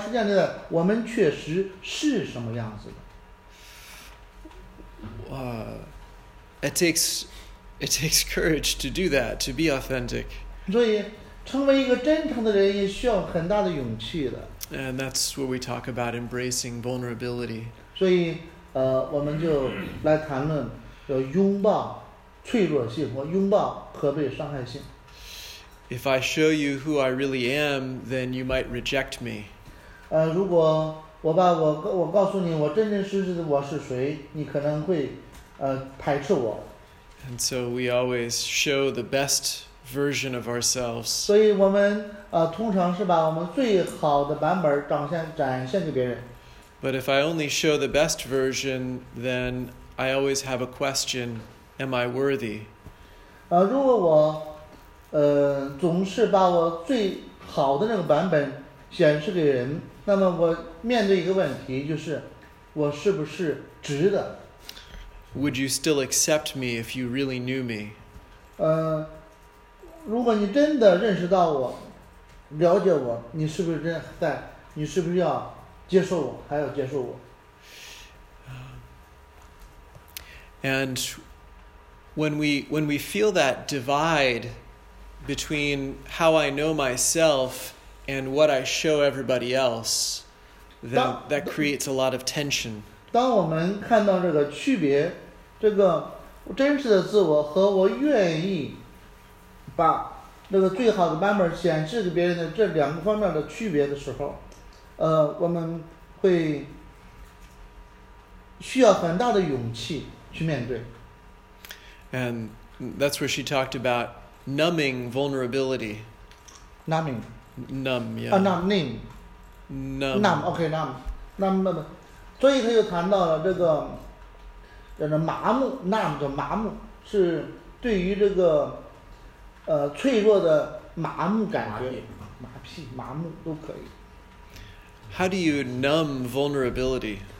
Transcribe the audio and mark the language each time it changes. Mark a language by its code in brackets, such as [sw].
[zh] 真诚建立在不是建立在我们应该是什么，而是建立在我们确实是什么样子的。 [en] It takes courage to do that, to be authentic. [zh] 所以成为一个真诚的人也需要很大的勇气的。 [en] And that's where we talk about embracing vulnerability. [zh] 所以, 我们就来谈论要拥抱脆弱性或拥抱可被伤害性。 [en] If I show you who I really am, then you might reject me. [zh] 如果我把我告诉你我真真实实的我是谁，你可能会排斥我。 [en] And so we always show the best version of ourselves. [zh] 所以我们通常是把我们最好的版本展现给别人。 [en] But if I only show the best version, then I always have a question, am I worthy? [zh] 如果我总是把我最好的那个版本显示给人，那么我面对一个问题就是，我是不是值得？ [en] Would you still accept me if you really knew me? [zh] 如果你真的认识到我，了解我，你是不是真在？你是不是要接受我，还要接受我？ [en] And when we feel that divide between how I know myself and what I show everybody else, that creates a lot of tension. [zh] 当我们看到这个区别，这个真实的自我和我愿意把那个最好的版本显示给别人的这两个方面的区别的时候，我们会需要很大的勇气去面对。 [en] And that's where she talked about numbing vulnerability. Numbing. Numb, yeah. Numbing. Numb. Numb, okay, numb. Numb, numb. [zh] 所以他又谈到了这个叫麻木 ,numb 叫麻木是对于这个脆弱的麻木感觉麻痹麻木都可以。 [en] How do you numb vulnerability?